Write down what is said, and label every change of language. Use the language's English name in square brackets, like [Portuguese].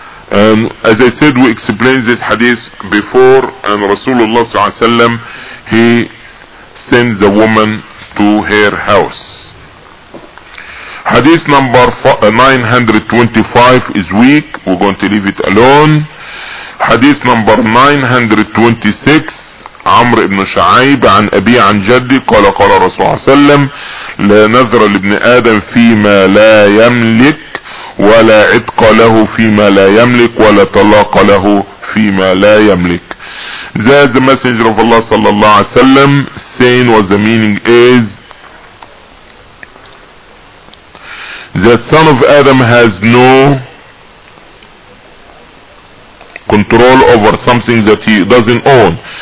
[English] And as I said, we explained this hadith before, and Rasulullah sallallahu alaihi wasallam, he sent the woman to her house. Hadith number 925 is weak, we're going to leave it alone. Hadith number 926, [Arabic] عمر بن شعيب عن أبي عن جدي قال قال رسول الله صلى الله عليه وسلم لا نذر لابن آدم فيما لا يملك ولا عتق له فيما لا يملك ولا طلاق له فيما لا يملك. [English] That the messenger of Allah صلى الله عليه وسلم saying, what the meaning is, that son of Adam has no control over something that he doesn't own.